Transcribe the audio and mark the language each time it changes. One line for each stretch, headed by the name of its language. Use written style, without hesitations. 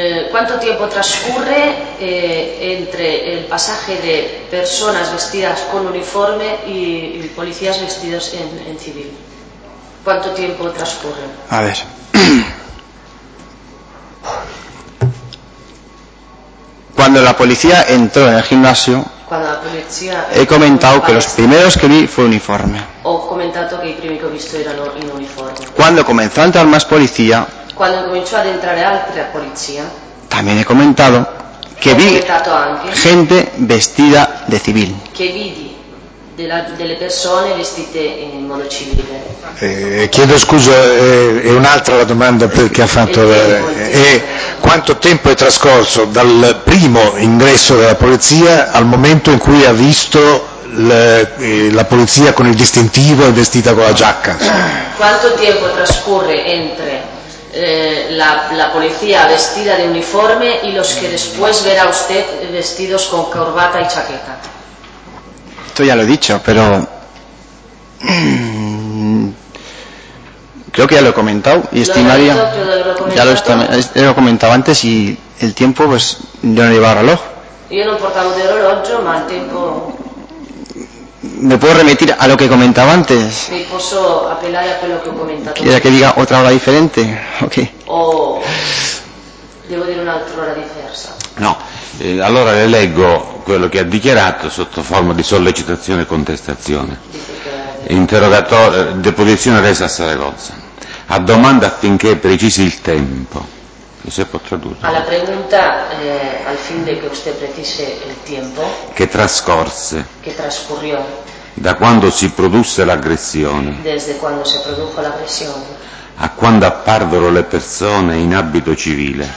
Italian: Quanto tempo trascorre
Spanish: entre
Italian: il passaggio di persone vestite con uniforme e polizia vestiti in civile? Quanto tempo trascorre?
Spanish: A ver.
Italian: Quando la polizia entrò nel gimnasio.
Spanish: Cuando la policía, he comentado que los primeros que vi fue uniforme. O comentado que el primero que he visto era en uniforme. Cuando comenzó a entrar más policía. Cuando comenzó a entrar otra policía. También he comentado que he vi
Italian: comentado anche,
Spanish: gente vestida de civil.
Italian: Que vi delle persone vestite in modo civile. Chiedo scusa, è un'altra la domanda che ha fatto. Quanto tempo è trascorso dal primo ingresso della polizia al momento in cui ha visto la polizia con il distintivo e vestita con la giacca? Quanto tempo trascorre
Spanish: entre
Italian: la polizia vestita di uniforme e los che
Spanish: después verá usted vestidos con corbata
Italian: e
Spanish: chaqueta? Esto ya lo he dicho, pero creo que ya lo he comentado y estimaría, lo he comentado antes y el tiempo pues yo no llevaba reloj. Yo no portaba de reloj, pero el tiempo... ¿Me puedo remitir a lo que comentaba antes? Me puedo apelar a lo que he comentado. ¿Quiere que diga otra hora diferente? ¿O qué? ¿O debo decir una otra hora diversa? No.
Italian: Allora le leggo quello che ha dichiarato sotto forma di sollecitazione e contestazione. Interrogatorio, deposizione resa a Saragozza. A domanda affinché precisi il tempo. Se può tradurre. Alla
Spanish: pregunta al fin de
Italian: che
Spanish: usted precise
Italian: il tempo. Che trascorse.
Spanish: Che trascurrió.
Italian: Da quando si produsse l'aggressione.
Spanish: Desde cuando se produjo la agresión.
Italian: A quando apparvero le persone in abito civile?